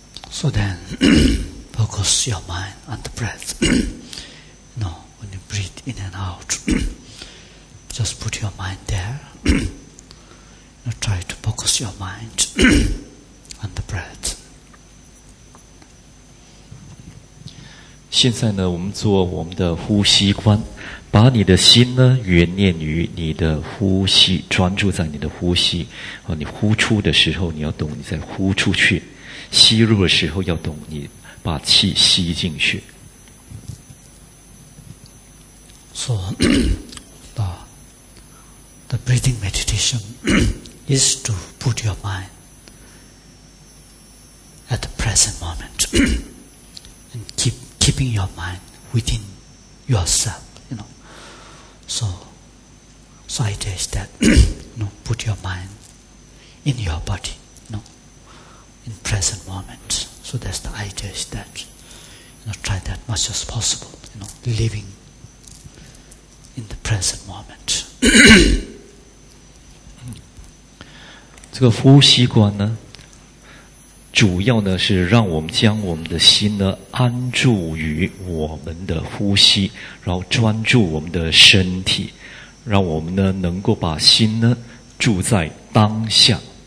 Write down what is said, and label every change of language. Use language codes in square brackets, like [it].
[en] So then, focus your mind on the breath. You know, when you breathe in and out, just put your mind there. You know, try to focus your mind on the breath. [zh] 现在呢，我们做我们的呼吸观，把你的心呢，原念于你的呼吸，专注在你的呼吸。哦，你呼出的时候，你要懂你在呼出去。吸入的时候要懂你把气吸进去。 [en] So, the breathing meditation is to put your mind at the present moment and keeping your mind within yourself, you know. So idea is that, you know, put your mind in your body. In present moment. So that's the idea is that, you know, try that much as possible, you know, living in the present moment. [zh] 这个呼吸观呢，主要呢是让我们将我们的心呢安住于我们的呼吸，然后专注我们的身体，让我们呢能够把心呢住在当下。